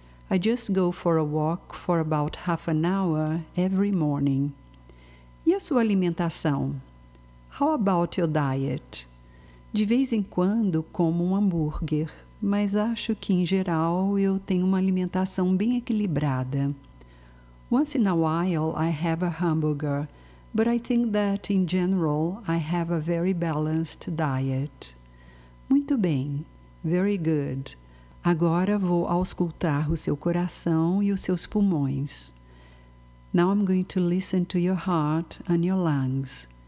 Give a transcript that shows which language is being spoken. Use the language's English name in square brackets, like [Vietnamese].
[English] I just go for a walk for about 30 minutes every morning. [Portuguese] E a sua alimentação? [English] How about your diet? [Portuguese] De vez em quando como um hambúrguer, mas acho que, em geral, eu tenho uma alimentação bem equilibrada. [English] Once in a while, I have a hamburger, but I think that, in general, I have a very balanced diet. [Portuguese] Muito bem. [English] Very good. [Portuguese] Agora vou auscultar o seu coração e os seus pulmões. [English] Now I'm going to listen to your heart and your lungs.